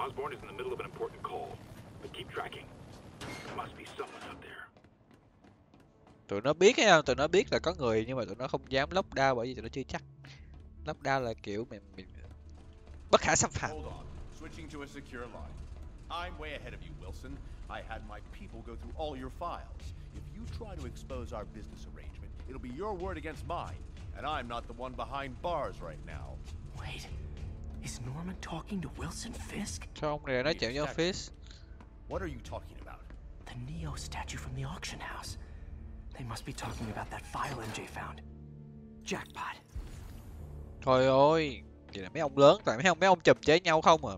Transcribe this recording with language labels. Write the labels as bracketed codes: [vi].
[en] Osborne is in the middle of an important call, but keep tracking. There must be someone out there. [vi] Tụi nó biết hay không? Tụi nó biết là có người nhưng mà tụi nó không dám lockdown bởi vì tụi nó chưa chắc. Lockdown là kiểu mình bất khả xâm phạm. [en] Hold on. Switching to a secure line. I'm way ahead of you, Wilson. I had my people go through all your files. If you try to expose our business arrangement, it'll be your word against mine, and I'm not the one behind bars right now. Wait. Is Norman talking to Wilson Fisk? [vi] Trong này nói chuyện với Fisk. [en] What are you talking about? The Neo statue from the auction house. They must be talking about that file MJ found. Jackpot. [vi] Trời ơi, vậy là mấy ông lớn tại mấy ông chùm chơi nhau không à?